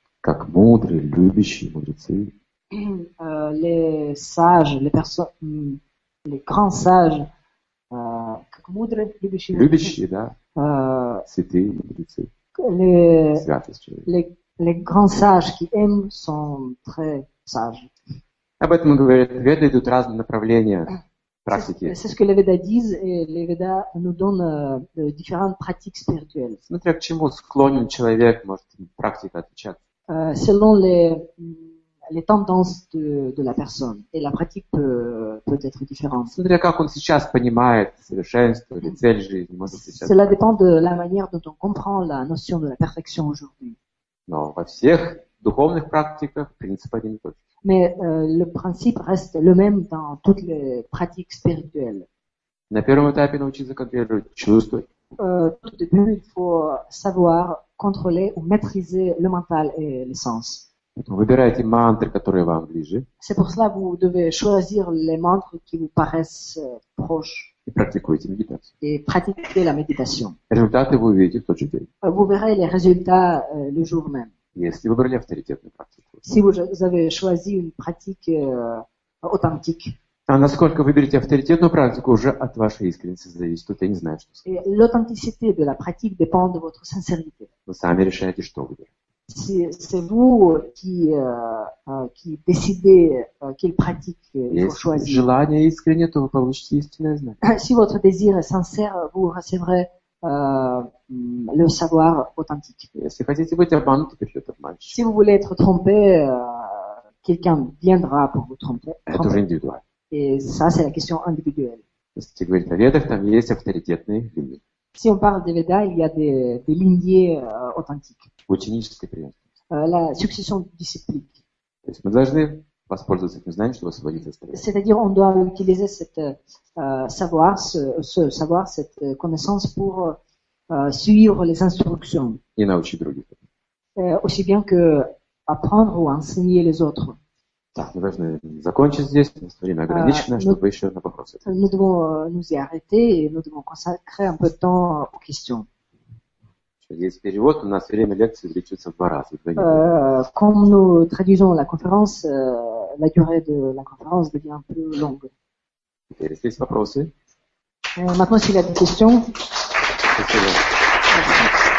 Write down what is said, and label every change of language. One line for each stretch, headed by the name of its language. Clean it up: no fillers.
Russian: Как мудрые, любящие мудрецы. Как мудрые, любящие мудрецы. Любящие, да. Святые мудрецы. Святость человека.
French: Les grands sages qui aiment sont très sages.
Russian: Об этом говорят веды, идут разные направления практики.
French: C'est ce que les Védas disent et les Védas nous donnent différentes pratiques spirituelles.
Russian: Смотря к чему склонен человек, может практика отличаться.
French: Selon les tendances de la personne et la pratique peut être différente.
Russian: Смотря как он сейчас понимает совершенство или цель жизни, может сейчас.
French: Cela dépend de la manière dont on comprend la notion de la perfection aujourd'hui.
Russian: Но во всех духовных практиках принцип один и тот же.
French: Mais le principe reste le même dans toutes les pratiques spirituelles.
Russian: На первом этапе научиться контролировать чувства.
French: Tout au début, il faut savoir contrôler ou maîtriser le mental et les sens.
Russian: Выбирайте мантры, которые вам ближе.
French: C'est pour cela que vous devez choisir les mantres qui vous paraissent proches. Et pratiquez la méditation.
Russian: Результаты вы увидите в тот же день.
French: Vous verrez les résultats le jour même.
Russian: Если вы выбрали авторитетную практику.
French: Si vous avez choisi une pratique authentique.
Russian: А насколько вы берете авторитетную практику, уже от вашей искренности зависит. Тут я не знаю, что сказать.
French: L'authenticité de la pratique dépend de votre sincérité.
Russian: Вы сами решаете, что вы делаете.
French: C'est vous qui décidez quelle pratique il faut choisir.
Russian: Если желание искреннее, то вы получите истинное знание.
French: Si votre désir est sincère, vous recevrez le savoir authentique.
Russian: Если хотите быть обманутым, то придет обманщик.
French: Si vous voulez être trompé, quelqu'un viendra pour vous tromper.
Russian: Это уже индивидуально.
French: Et ça, c'est la question individuelle.
Russian: Если говорить о ведах, там есть авторитетные линии.
French: Si on parle des Védas, il y a des lignées authentiques.
Russian: Ученическое преемство.
French: La succession disciplique.
Russian: То есть мы должны воспользоваться этим знанием, чтобы освободиться от страха.
French: C'est-à-dire, on doit utiliser cette connaissance pour suivre les instructions.
Russian: И научить других.
French: Aussi bien que apprendre ou enseigner les autres.
Russian: Так, мы должны закончить здесь, у нас время ограничено, чтобы еще на вопросы.
French: Nous devons nous y arrêter et nous devons consacrer un peu de temps aux questions.
Russian: Есть перевод, у нас время лекции увеличивается в два раза.
French: Comme nous traduisons la conférence, la durée de la conférence devient un peu longue.
Russian: Теперь есть вопросы?
French: Maintenant, s'il y a des questions.
Russian: Спасибо.